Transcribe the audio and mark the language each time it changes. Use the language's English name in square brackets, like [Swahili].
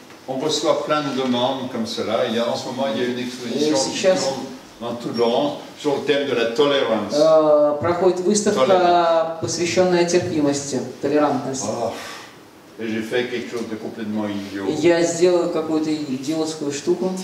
[French] On reçoit plein de demandes comme cela. Il y a, en ce moment, il y a une exposition [Russian] сейчас, [French] dans Toulouse sur le thème de la tolérance. [Russian] Проходит выставка, tolérance. Посвященная терпимости, толерантности. [French] Et j'ai fait quelque chose de complètement idiot. [Russian] Я сделал какую-то идиотскую штуку.